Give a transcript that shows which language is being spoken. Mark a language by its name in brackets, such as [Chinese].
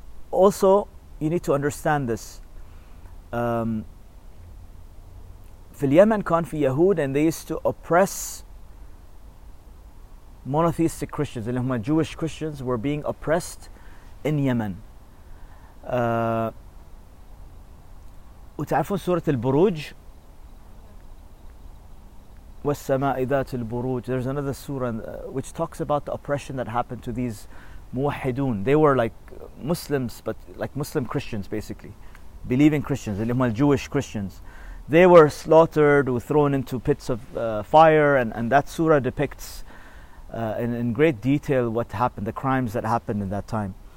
[English] Also, you need to understand this. [Arabic] في اليمن كان في يهود, [English] and they used to oppress monotheistic Christians, [Arabic] اللي هم [English] Jewish Christians were being oppressed in Yemen. [Arabic] وتعرفون سورة البروج والسماء ذات البروج. [English] There's another surah which talks about the oppression that happened to these موحدون. They were like Muslims, but like Muslim Christians basically, believing Christians, [Arabic] اللي هم [English] Jewish Christians. They were slaughtered or thrown into pits of fire, and that surah depicts in great detail what happened, the crimes that happened in that time.